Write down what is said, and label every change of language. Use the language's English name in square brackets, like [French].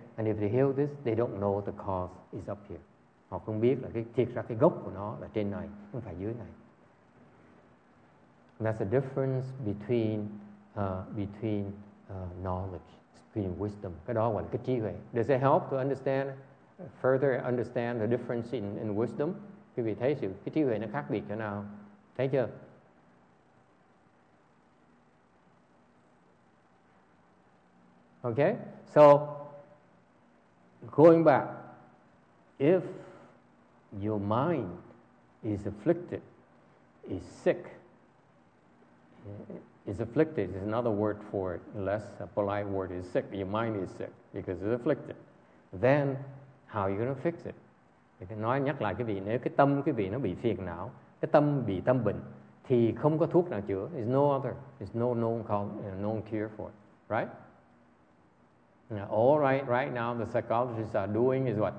[English] And if they heal this, they don't know the cause is up here. [Vietnamese] Họ không biết là cái thiệt ra cái gốc của nó là trên này, không phải dưới này. [English] That's the difference between knowledge, between wisdom. [Vietnamese] Cái đó gọi là cái trí huệ. [English] Does it help to understand further understand the difference in wisdom? [Vietnamese] Quý vị thấy sự cái trí huệ nó khác biệt chỗ nào? Thấy chưa? [English] Okay, so going back, if your mind is afflicted, is sick, is afflicted is another word for it, less a polite word is sick, your mind is sick because it's afflicted, then how are you going to fix it? [Vietnamese] Nói nhắc lại quý vị, nếu cái tâm quý vị nó bị phiền não, cái tâm bị tâm bệnh, thì không có thuốc nào chữa, [English] there's no other, there's no known cure for it, right? All right, right now the psychologists are doing is what?